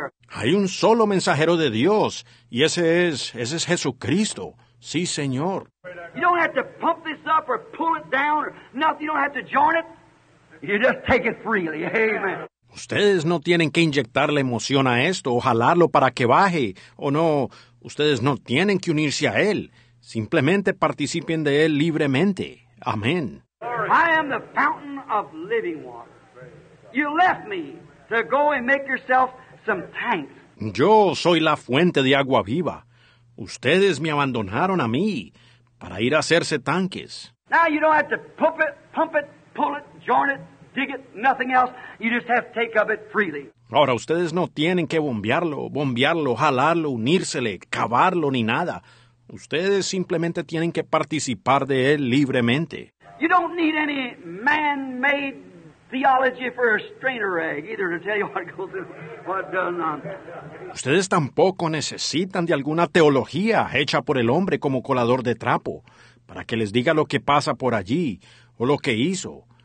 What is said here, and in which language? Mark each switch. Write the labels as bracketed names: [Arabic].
[Spanish] Hay un solo mensajero de Dios y ese es Jesucristo. Sí, Señor. [English] You don't have to pump this up or pull it down or nothing. You don't have to join it. You just take it freely. Amen. [Spanish] Ustedes no tienen que inyectarle emoción a esto o jalarlo para que baje. O no, ustedes no tienen que unirse a él. Simplemente participen de él libremente. Amén. [English] I am the fountain of living water. You left me to go and make yourself some tanks. [Spanish] Yo soy la fuente de agua viva. Ustedes me abandonaron a mí para ir a hacerse tanques. [English] Now you don't have to pump it, pull it, join it, dig it, nothing else. You just have to take of it freely. [Spanish] Ahora, ustedes no tienen que bombearlo, jalarlo, unírsele, cavarlo, ni nada. Ustedes simplemente tienen que participar de él libremente. [English] You don't need any man-made theology for a strainer egg either to tell you what goes in, what does not. [Spanish] Ustedes tampoco necesitan de alguna teología hecha por el hombre como colador de trapo para que les diga lo que pasa por allí o lo que hizo.